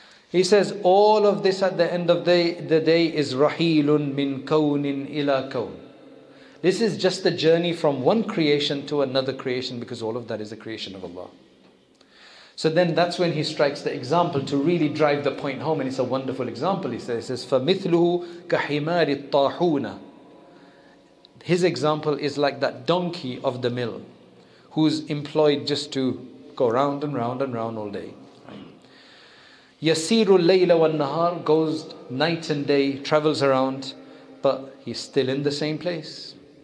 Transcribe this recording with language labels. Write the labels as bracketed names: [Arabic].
[English] He says, all of this at the end of the day is [Arabic] rahilun min kawnin ila kawn. [English] This is just the journey from one creation to another creation, because all of that is a creation of Allah. So then that's when he strikes the example to really drive the point home, and it's a wonderful example. He says, [Arabic] فَمِثْلُهُ كَحِمَارِ الطَّاحُونَ. [English] His example is like that donkey of the mill who's employed just to go round and round and round all day. [Arabic] يَسِيرُ اللَّيْلَ وَالنَّهَارِ, [English] goes night and day, travels around, but he's still in the same place.